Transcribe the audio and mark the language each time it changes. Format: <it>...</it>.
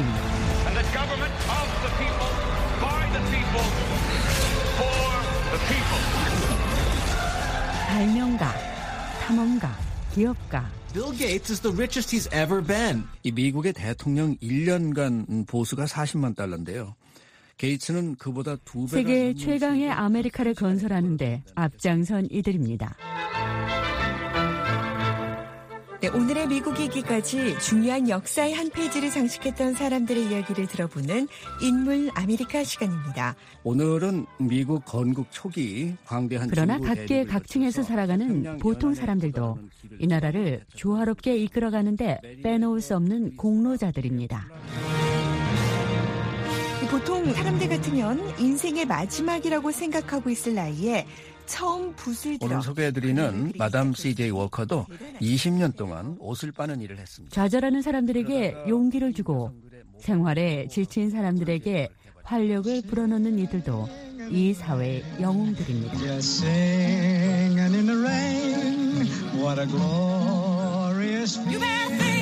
<en>and the government of the people, by the people, for the people.</en> <ko>발명가, 탐험가, 기업가.</ko> <en>Bill Gates is the richest he's ever been.</en> <ko>이 미국의 대통령 1년간 보수가 40만 달러인데요. 게이츠는 그보다 두 배. 세계 최강의 아메리카를 건설하는데 앞장선 이들입니다. 네, 오늘의 미국이기까지 중요한 역사의 한 페이지를 장식했던 사람들의 이야기를 들어보는 인물 아메리카 시간입니다. 오늘은 미국 건국 초기 광대한 그러나 각계 각층에서 살아가는 보통 사람들도 이 나라를 조화롭게 이끌어가는데 빼놓을 수 없는 공로자들입니다. 보통 사람들 같으면 인생의 마지막이라고 생각하고 있을 나이에 처음 붓을 들어 오늘 소개해드리는 마담 CJ 워커도 20년 동안 옷을 빠는 일을 했습니다. 좌절하는 사람들에게 용기를 주고 생활에 지친 사람들에게 활력을 불어넣는 이들도 이 사회의 영웅들입니다.</ko> <en>Singing in the rain, what a glorious feeling.</en>